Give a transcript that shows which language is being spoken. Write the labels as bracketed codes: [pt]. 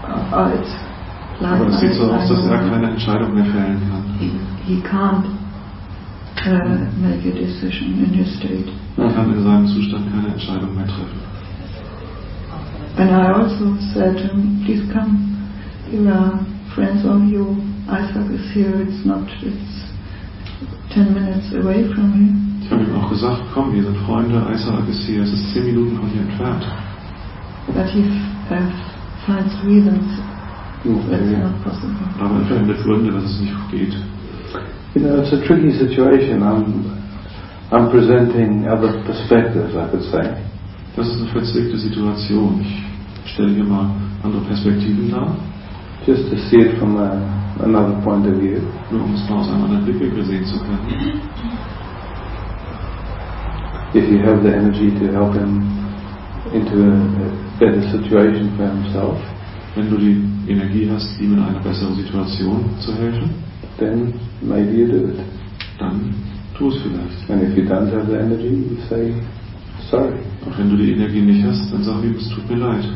[de] Aber es sieht so aus, dass er keine Entscheidung mehr fällen kann. [en] He can't make a decision in his state. [de] Er kann in seinem Zustand keine Entscheidung mehr treffen. [en] And I also said to him, please come. You are friends of you. Isaac is here. It's 10 minutes away from here. [de] Ich habe ihm auch gesagt, komm, wir sind Freunde. [en] Isaac is here. [de] Es ist 10 Minuten von hier entfernt. [en] But he finds reasons. Okay. [de] Aber er findet Gründe, dass es nicht geht. [en] You know, it's a tricky situation. I'm presenting other perspectives, I could say. [de] Das ist eine verzwickte Situation. Ich stelle hier mal andere Perspektiven dar. [en] Just to see it from another point of view. [de] Nur um es mal aus einem anderen Blickwinkel sehen zu können. [en] If you have the energy to help him into a better situation for himself, [de] wenn du die Energie hast, ihm in einer besseren Situation zu helfen, [en] then maybe you do it. [de] Dann tu es vielleicht. [en] And if you don't have the energy, you say sorry. [de] Und wenn du die Energie nicht hast, dann sag ihm, es tut mir leid.